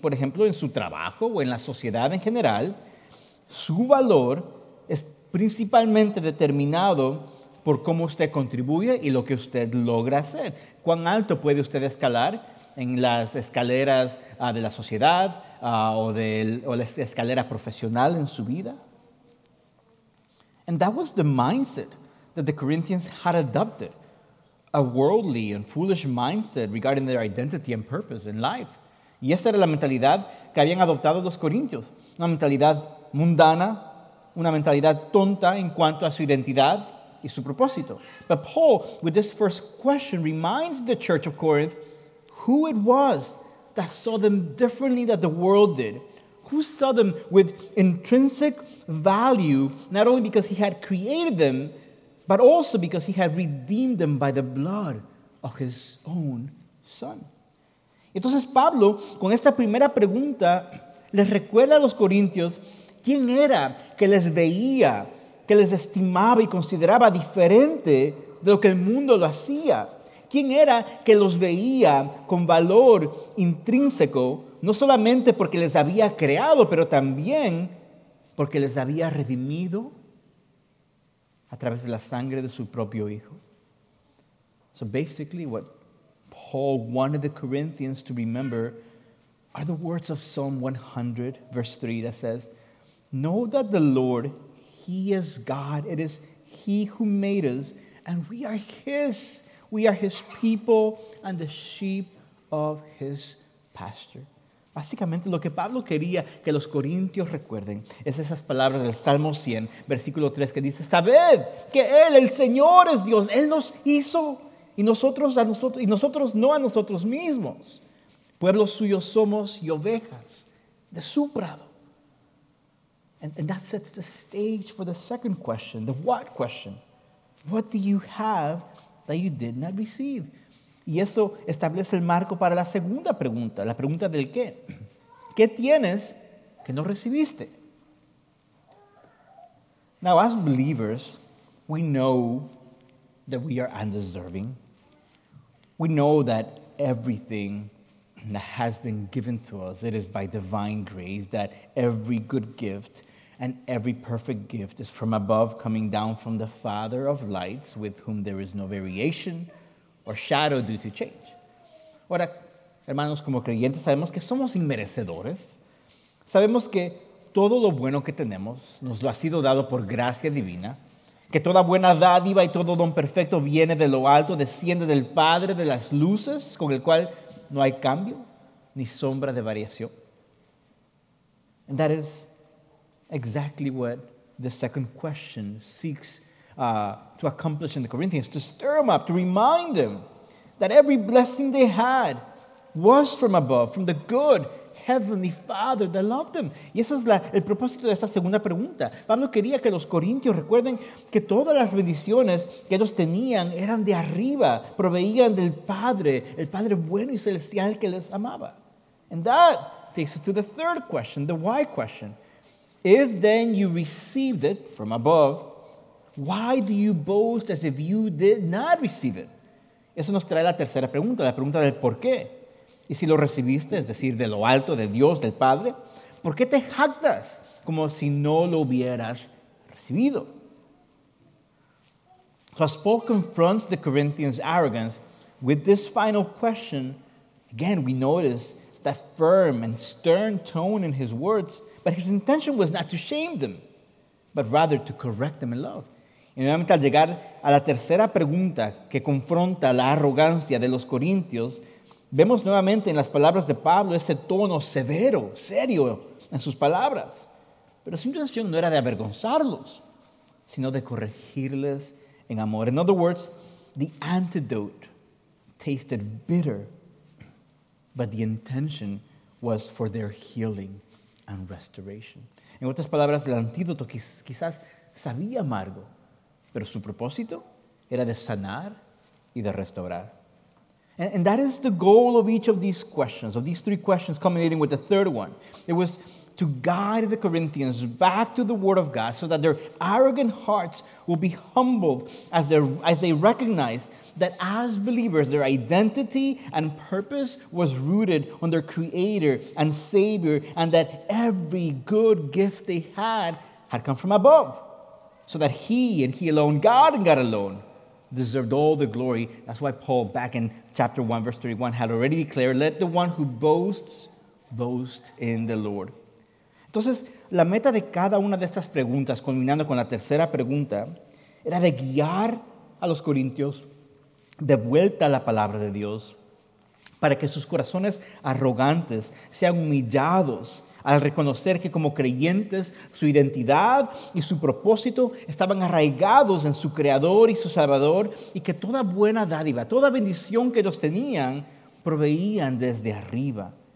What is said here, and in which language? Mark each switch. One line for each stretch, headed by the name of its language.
Spanish: Por ejemplo, en su trabajo o en la sociedad en general, su valor es principalmente determinado por cómo usted contribuye y lo que usted logra hacer. ¿Cuán alto puede usted escalar en las escaleras de la sociedad o la escalera profesional en su vida?
English: And that was the mindset that the Corinthians had adopted, a worldly and foolish mindset regarding their identity and purpose in life.
Spanish: Y esa era la mentalidad que habían adoptado los corintios, una mentalidad mundana, una mentalidad tonta en cuanto a su identidad y su propósito.
English: But Paul, with this first question, reminds the church of Corinth who it was that saw them differently than the world did. Who saw them with intrinsic value, not only because he had created them, but also because he had redeemed them by the blood of his own son.
Spanish: Entonces Pablo, con esta primera pregunta, les recuerda a los corintios quién era que les veía, que les estimaba y consideraba diferente de lo que el mundo lo hacía. Quién era que los veía con valor intrínseco, no solamente porque les había creado, pero también porque les había redimido a través de la sangre de su propio hijo.
English: So basically what Paul wanted the Corinthians to remember are the words of Psalm 100 verse 3 that says, know that the Lord, he is God. It is he who made us and we are his. We are his people and the sheep of his pasture.
Spanish: Básicamente lo que Pablo quería que los corintios recuerden es esas palabras del Salmo 100, versículo 3, que dice, sabed que Él, el Señor, es Dios. Él nos hizo y nosotros no a nosotros mismos. Pueblo suyo somos y ovejas de su prado.
English: And that sets the stage for the second question, the what question. What do you have that you did not receive?
Spanish: Y eso establece el marco para la segunda pregunta, la pregunta del qué. ¿Qué tienes que no recibiste?
English: Now, as believers, we know that we are undeserving. We know that everything that has been given to us, it is by divine grace, that every good gift and every perfect gift is from above, coming down from the Father of lights, with whom there is no variation or shadow due to change.
Spanish: Ahora, hermanos, como creyentes, sabemos que somos inmerecedores. Sabemos que todo lo bueno que tenemos nos lo ha sido dado por gracia divina, que toda buena dádiva y todo don perfecto viene de lo alto, desciende del Padre de las luces, con el cual no hay cambio ni sombra de variación.
English: And that is exactly what the second question seeks to accomplish in the Corinthians, to stir them up, to remind them that every blessing they had was from above, from the good Heavenly Father that loved them.
Spanish: Y eso es el propósito de esta segunda pregunta. Pablo quería que los corintios recuerden que todas las bendiciones que ellos tenían eran de arriba, proveían del Padre, el Padre bueno y celestial que les amaba.
English: And that takes us to the third question, the why question. If then you received it from above, why do you boast as if you did not receive it?
Spanish: Eso nos trae la tercera pregunta, la pregunta del por qué. Y si lo recibiste, es decir, de lo alto, de Dios, del Padre, ¿por qué te jactas como si no lo hubieras recibido?
English: So as Paul confronts the Corinthians' arrogance with this final question, again, we notice that firm and stern tone in his words, but his intention was not to shame them, but rather to correct them in love.
Spanish: Y nuevamente al llegar a la tercera pregunta que confronta la arrogancia de los corintios, vemos nuevamente en las palabras de Pablo ese tono severo, serio, en sus palabras. Pero su intención no era de avergonzarlos, sino de corregirles en amor.
English: In other words, the antidote tasted bitter, but the intention was for their healing and restoration.
Spanish: En otras palabras, el antídoto quizás sabía amargo, pero su propósito era de sanar y de restaurar.
English: And that is the goal of each of these questions, of these three questions, culminating with the third one. It was to guide the Corinthians back to the Word of God so that their arrogant hearts will be humbled as they recognize that as believers, their identity and purpose was rooted on their Creator and Savior, and that every good gift they had come from above, so that He and He alone, God and God alone, deserved all the glory. That's why Paul, back in chapter 1, verse 31, had already declared, "Let the one who boasts, boast in the Lord."
Spanish: Entonces, la meta de cada una de estas preguntas, culminando con la tercera pregunta, era de guiar a los corintios de vuelta a la palabra de Dios para que sus corazones arrogantes sean humillados al reconocer que como creyentes su identidad y su propósito estaban arraigados en su Creador y su Salvador, y que toda buena dádiva, toda bendición que ellos tenían, proveían desde arriba.